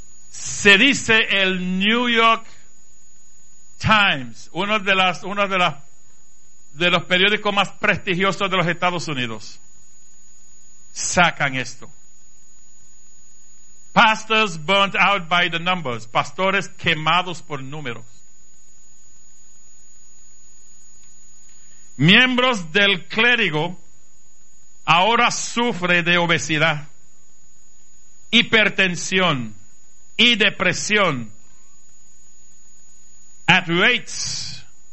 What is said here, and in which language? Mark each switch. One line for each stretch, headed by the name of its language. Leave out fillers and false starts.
Spanish: Se dice el New York Times, uno de los periódicos más prestigiosos de los Estados Unidos, sacan esto.
English: Pastors burnt out by the numbers.
Spanish: Pastores quemados por números. Miembros del clérigo ahora sufren de obesidad, hipertensión y depresión
English: at rates